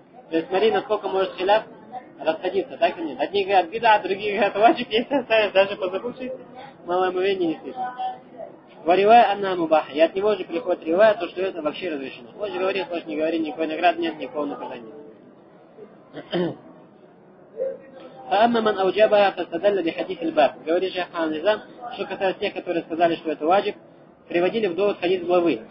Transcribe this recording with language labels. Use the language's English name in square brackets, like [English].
[Russian] То есть смотри, насколько может хиляф расходиться, так или нет? Одни говорят беда, другие говорят ваджиб, если оставят даже по забывшейся, малое омовение не слышно. [Arabic] Варивая анна мубаха, [Russian] и от него же приходит ривая, то, что это вообще разрешено. Хочешь говори, хочешь не говори, никакой награды нет, никакого наказания нет. [Arabic] فأما من أوجبها فاستدل بحديث الباب. [Russian] говорит شيخ Аль-Азам, что касается тех, которые сказали, что это واجب, приводили в довод хадис главы.